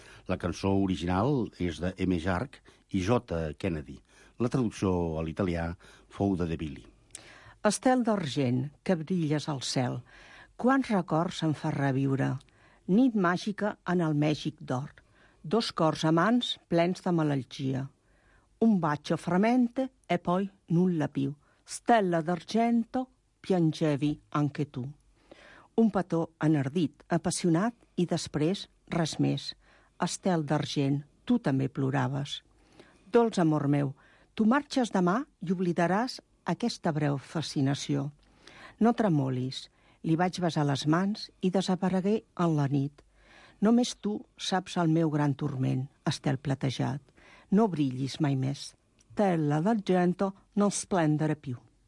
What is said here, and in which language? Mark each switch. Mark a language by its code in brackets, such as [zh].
[ca] La cançó original és de M. Jarque i J. Kennedy. La traducció a l'italià fou de Billy. Estel d'argent, que brilles al cel, quants records em fa reviure. Nit màgica en el Mèxic d'or. Dos cors amants plens de malaltia. [it] Un bacio fremente e poi nulla più. Stella d'argento, piangevi anche tu. [ca] Un petó enardit, apassionat i després res més. Estel d'argent, tu també ploraves. Dolç amor meu, tu marxes demà i oblidaràs aquesta breu fascinació. No tremolis, li vaig besar les mans i desaparegué en la nit. Només tu saps el meu gran turment, Estel platejat. No brillis mai més. [it] Estella d'argento, no splendere più.